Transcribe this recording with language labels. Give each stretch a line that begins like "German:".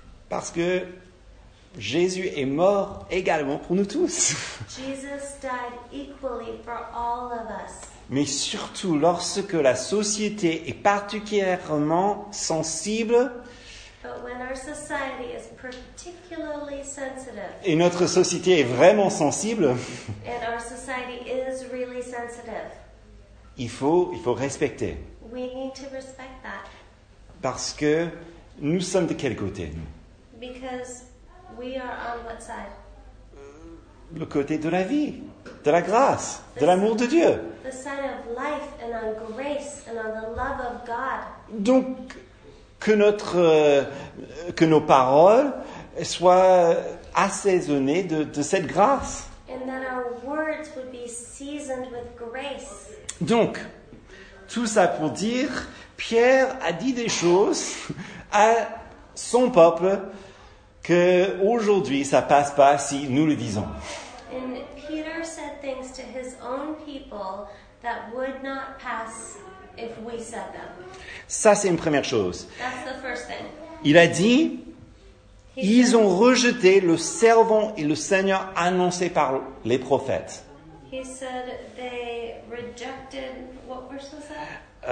French: Parce que Jésus est mort également pour nous tous.
English: Jesus died equally for all of us.
French: Mais surtout lorsque la société est particulièrement sensible.
English: But when our society is particularly sensitive.
French: Et notre société est vraiment sensible.
English: And our society is really sensitive.
French: Il faut respecter.
English: We need to respect that.
French: Parce que nous sommes de quel côté?
English: Because we are on what side?
French: Le côté de la vie, de la grâce, de l'amour de Dieu.
English: The side of life and on grace and on the love of God.
French: Donc que nos paroles soient assaisonnées de cette grâce.
English: And that our words would be seasoned with grace.
French: Donc tout ça pour dire, Pierre a dit des choses à son peuple que aujourd'hui ça passe pas si nous le disons.
English: And Peter said things to his own people that would not pass if we said them.
French: Ça, c'est une première chose.
English: That's the first thing.
French: Il a dit, ils ont rejeté le servant et le Seigneur annoncé par les prophètes.
English: He said they rejected, what verse was that?